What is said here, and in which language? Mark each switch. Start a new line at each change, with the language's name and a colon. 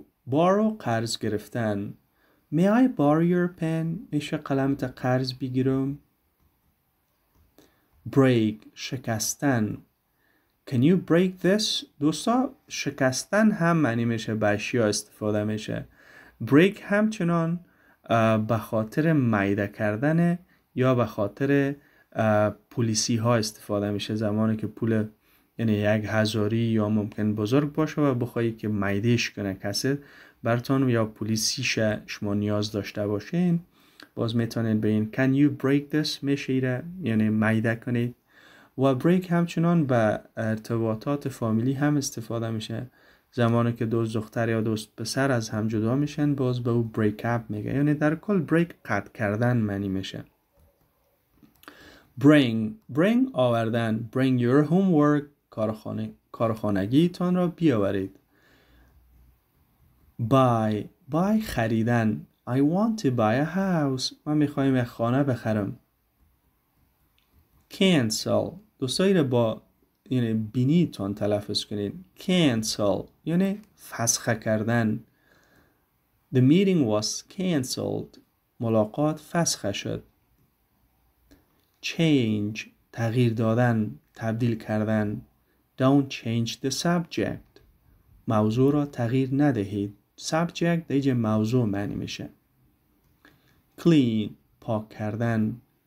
Persian: Borrow قرض گرفتن.
English: May I borrow your pen؟
Persian: میشه قلمت قرض بگیرم؟ Break شکستن.
English: Can you break this؟
Persian: دوستا شکستن هم معنی میشه، به اشیا استفاده میشه. Break همچنان به خاطر میده کردن یا به خاطر پلیسی ها استفاده میشه، زمانی که پول یعنی یک هزاری یا ممکن بزرگ باشه و بخوایی که میدهش کنه کسی برتون یا پلیسی شه شما نیاز داشته باشین، باز میتونین به این
English: can you break this
Persian: میشه ایره یعنی میده کنید. و break همچنان به ارتباطات فامیلی هم استفاده میشه، زمانی که دو دختر یا دو پسر از هم جدا میشن باز به او بریک اپ میگه، یعنی در کل بریک قطع کردن معنی میشه. Bring آوردن.
English: Bring your homework،
Persian: کارخانگیتان را بیاورید. Buy خریدن.
English: I want to buy a house،
Persian: من میخواهم یک خانه بخرم. Cancel، دوستایی را با یعنی بینیتان تلفظ کنید. Cancel یعنی فسخ کردن.
English: The meeting was cancelled،
Persian: ملاقات فسخ شد. Change تغییر دادن، تبدیل کردن.
English: Don't change the subject،
Persian: موضوع را تغییر ندهید. Subject دیگه موضوع معنی میشه. Clean پاک کردن.